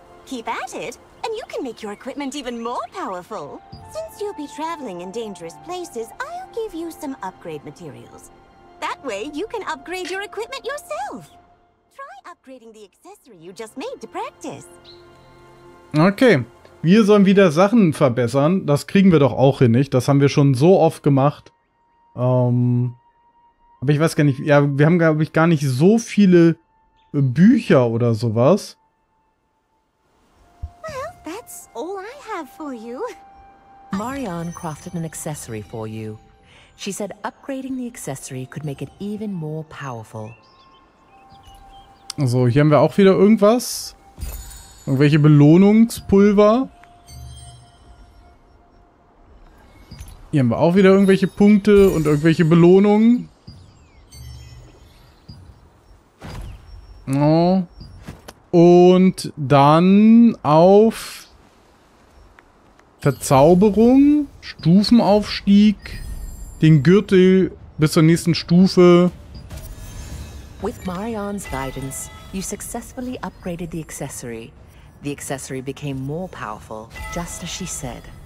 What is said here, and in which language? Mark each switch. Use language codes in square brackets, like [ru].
[en] Keep at it, and you can make your equipment even more powerful. Since you'll be traveling in dangerous places, I'll give you some upgrade materials. That way, you can upgrade your equipment yourself. Try upgrading the accessory you just made to practice. [de] Okay. Wir sollen wieder Sachen verbessern. Das kriegen wir doch auch hin, nicht? Das haben wir schon so oft gemacht. Aber ich weiß gar nicht. Ja, wir haben, glaube ich, gar nicht so viele Bücher oder sowas. [en] Well, that's all I have for you. Marianne crafted an accessory for you. She said upgrading the accessory could make it even more powerful. [de] So, hier haben wir auch wieder irgendwas. Irgendwelche Belohnungspulver. Hier haben wir auch wieder irgendwelche Punkte und irgendwelche Belohnungen. Oh. Und dann auf Verzauberung, Stufenaufstieg, den Gürtel bis zur nächsten Stufe. [en] With Marianne's guidance, you successfully upgraded the accessory. The accessory became more powerful, just as she said.